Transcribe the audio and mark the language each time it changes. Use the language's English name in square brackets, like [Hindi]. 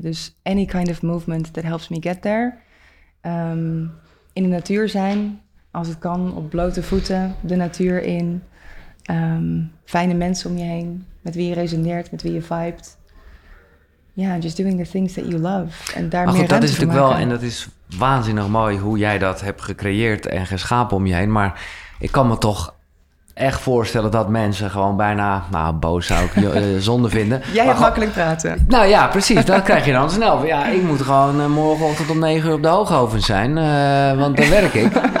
[English] Dus any kind of movement that helps me get there. [Dutch] In de natuur zijn, als het kan, op blote voeten de natuur in. Fijne mensen om je heen, met wie je resoneert, met wie je vibet. [English] Ja, yeah, just doing the things that you love. [Dutch] En daar meer ruimte voor maken. Dat is natuurlijk wel, en dat is waanzinnig mooi hoe jij dat hebt gecreëerd en geschapen om je heen. Maar ik kan me toch echt voorstellen dat mensen gewoon bijna, nou, boos zou ik zonde vinden. Jij hebt makkelijk praten. Nou ja, precies. Dat krijg je dan snel. Ja, ik moet gewoon morgenochtend om 9 uur op de Hoogovens zijn. Want dan werk ik.